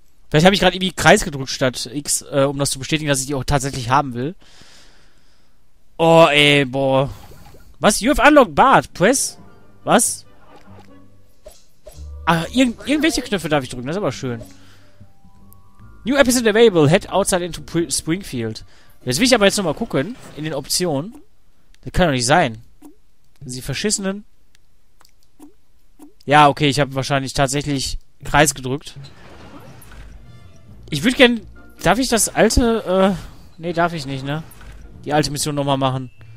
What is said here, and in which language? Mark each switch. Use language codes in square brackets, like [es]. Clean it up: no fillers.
[de] Vielleicht habe ich gerade irgendwie Kreis gedrückt statt X, um das zu bestätigen, dass ich die auch tatsächlich haben will. Oh, ey, boah. Was? [en] You have unlocked Bart. Press? [de] Was? Ah, irgendwelche Knöpfe darf ich drücken, das ist aber schön. [en] New episode available, head outside into Springfield. [de] Jetzt will ich aber jetzt nochmal gucken, in den Optionen. Das kann doch nicht sein. Sie verschissenen. Ja, okay, ich habe wahrscheinlich tatsächlich Kreis gedrückt. Ich würde gerne. Darf ich das alte, nee, darf ich nicht, ne? Die alte Mission nochmal machen.